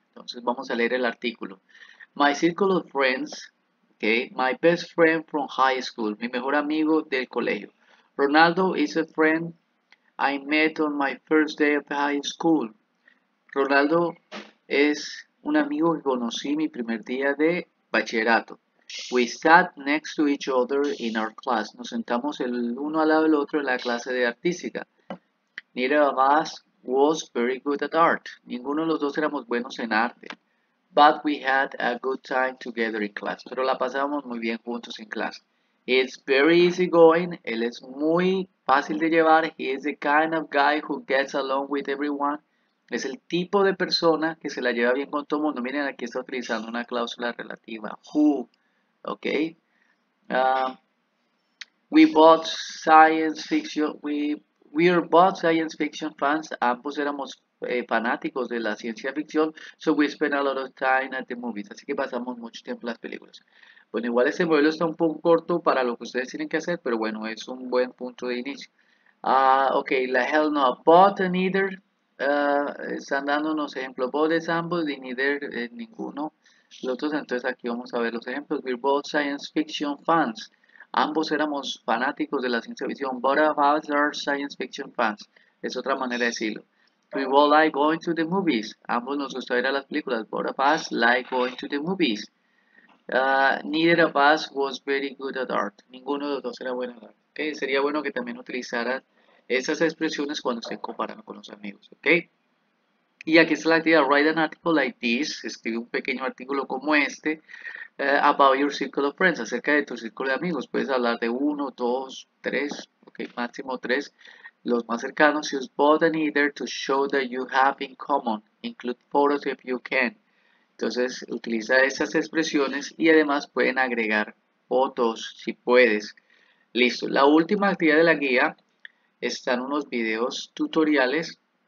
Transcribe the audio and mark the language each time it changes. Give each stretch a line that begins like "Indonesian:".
Spanish: Entonces, vamos a leer el artículo.
English: My circle of friends, okay, my best friend from high school,
Spanish: mi mejor amigo del colegio.
English: Ronaldo is a friend I met on my first day of high school.
Spanish: Ronaldo es un amigo que conocí mi primer día de bachillerato.
English: We sat next to each other in our class.
Spanish: Nos sentamos el uno al lado del otro en la clase de artística.
English: Neither of us was very good at art.
Spanish: Ninguno de los dos éramos buenos en arte.
English: But we had a good time together in class.
Spanish: Pero la pasábamos muy bien juntos en clase.
English: It's very easy going.
Spanish: Él es muy fácil de llevar.
English: He is the kind of guy who gets along with everyone.
Spanish: Es el tipo de persona que se la lleva bien con todo el mundo. Miren, aquí está utilizando una cláusula relativa. Who, ok.
English: We are both science fiction fans.
Spanish: Ambos éramos fanáticos de la ciencia ficción.
English: So we spend a lot of time at the movies.
Spanish: Así que pasamos mucho tiempo en las películas. Bueno, igual este modelo está un poco corto para lo que ustedes tienen que hacer. Pero bueno, es un buen punto de inicio. Ok, la hell no. Both and either. Están dándonos ejemplos. Both es ambos, ni neither, ninguno. Los dos, entonces aquí vamos a ver los ejemplos.
English: We're both science fiction fans.
Spanish: Ambos éramos fanáticos de la ciencia ficción.
English: Both of us are science fiction fans.
Spanish: Es otra manera de decirlo.
English: We both like going to the movies.
Spanish: Ambos nos gusta ir a las películas.
English: Both of us like going to the movies. Neither of us was very good at art.
Spanish: Ninguno de los dos era bueno en arte. Okay. Sería bueno que también utilizaran esas expresiones cuando se comparan con los amigos, ¿ok? Y aquí está la actividad,
English: write an article like this,
Spanish: escribe un pequeño artículo como este,
English: about your circle of friends,
Spanish: acerca de tu círculo de amigos. Puedes hablar de uno, dos, tres, ok, máximo tres, los más cercanos.
English: Use both and either to show that you have in common, include photos if you can.
Spanish: Entonces, utiliza esas expresiones y además pueden agregar fotos si puedes. Listo, la última actividad de la guía. Están unos videos tutoriales.